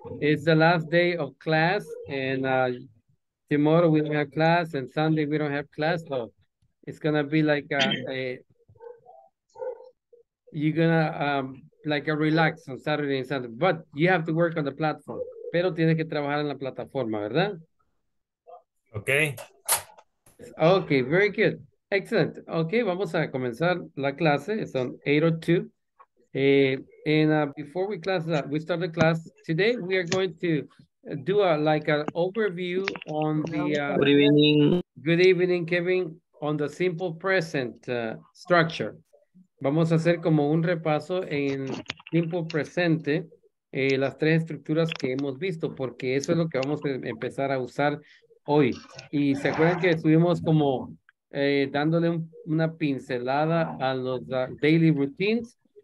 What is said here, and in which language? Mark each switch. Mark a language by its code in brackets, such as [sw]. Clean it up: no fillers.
[en] It's the last day of class, and tomorrow we don't have class, and Sunday we don't have class, so it's gonna be like a you're gonna like a relax on Saturday and Sunday, but you have to work on the platform. [es] Pero tienes que trabajar en la plataforma, ¿verdad? [en] Okay. Okay, very good. Excellent. Okay, [es] vamos a comenzar la clase. [en] It's on 8:02. Before we start the class today, we are going to do a like an overview on the Good evening. good evening, Kevin, on the simple present structure. [es] Vamos a hacer como un repaso en simple presente las tres estructuras que hemos visto, porque eso es lo que vamos a empezar a usar hoy. Y se acuerdan que estuvimos como dándole una pincelada a los daily routines.